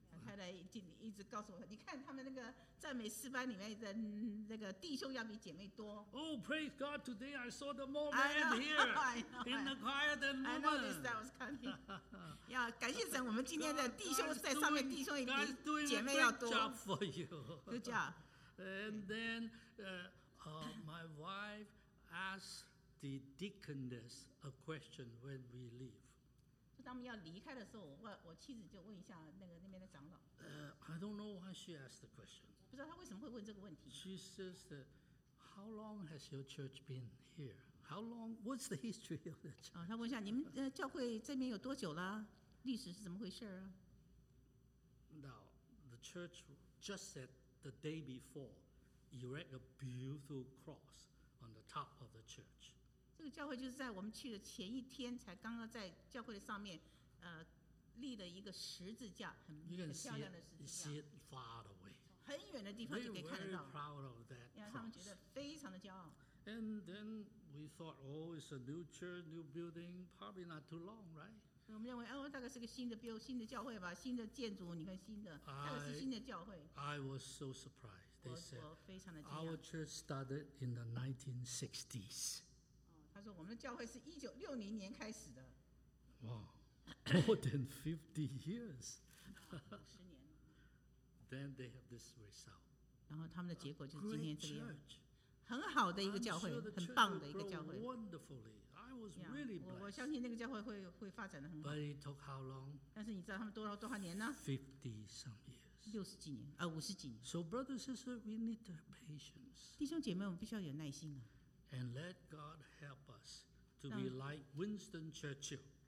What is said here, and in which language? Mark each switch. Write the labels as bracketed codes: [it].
[zh] 太太一直告诉我，你看他们那个赞美诗班里面的那个弟兄要比姐妹多。 [en] Oh, praise God! Today I saw the more men here in the choir than women. I know this. That was coming. [zh] 要感谢神，我们今天的弟兄在上面，弟兄比姐妹要多。 [en] Good job for you. Good job. And then, my wife asked the deaconess a question when we leave. [zh] 当我们要离开的时候， 我妻子就问一下那个那边的长老。 [en] I don't know why she asked the question. [zh] 不知道她为什么会问这个问题。 [en] She says that, how long has your church been here? How long? What's the history of the church? [zh] 她问一下你们教会这边有多久了？历史是怎么回事啊？ [en] Now, the church just said the day before, erect a beautiful cross on the top of the church. [zh] 这个教会就是在我们去的前一天才刚刚在教会的上面立了一个十字架，很漂亮的十字架。 [en] You can see it far away. [zh] 很远的地方就可以看得到。 [en] They're very proud of that cross. [zh] 他们觉得非常的骄傲。 [en] And then we thought, oh, it's a new church, new building, probably not too long, right? [zh] 我们认为，哦，大概是个新的 building, 新的教会吧，新的建筑，你看新的，大概是新的教会。 [en] I was so surprised. They said, [zh] 我非常的惊讶。 [en] Our church started in the 1960s. [zh] 他说我们的教会是1960年开始的。 [en] Wow, more than 50 years. [zh] 50年。 [en] Then they have this result. [zh] 然后他们的结果就是今天这样。 [en] A great church. [zh] 很好的一个教会，很棒的一个教会。 [en] I'm sure the church will grow wonderfully. I was really blessed. [zh] 我相信那个教会 会发展得很好。 [en] But it took how long? [zh] 但是你知道他们多少年呢？ [en] 50 some years. [zh] 60几年，50几年。 [en] So brother, sister, we need to have patience. [zh] 弟兄姐妹，我们必须要有耐心啊。 [en] And let God help us to be like Winston Churchill.